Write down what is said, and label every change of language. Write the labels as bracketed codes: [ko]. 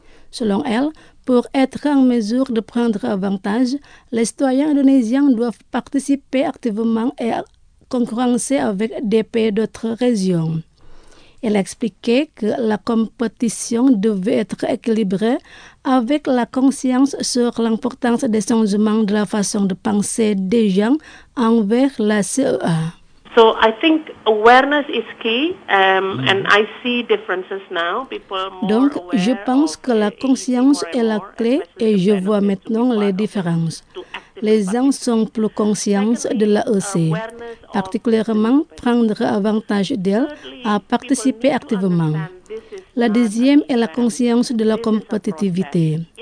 [fr] Selon elle, pour être en mesure de prendre avantage, les citoyens indonésiens doivent participer activement et concurrencer avec des pays d'autres régions. Elle a expliqué que la compétition devait être équilibrée avec la conscience sur l'importance des changements de la façon de penser des gens envers la CEA. [en] So I think awareness is key, and I see differences now. People are more [fr] Donc, je pense que la conscience est la clé et je vois maintenant les différences. Les gens sont plus conscients de l'AEC, particulièrement prendre avantage d'elle à participer activement. La deuxième est la conscience de la compétitivité.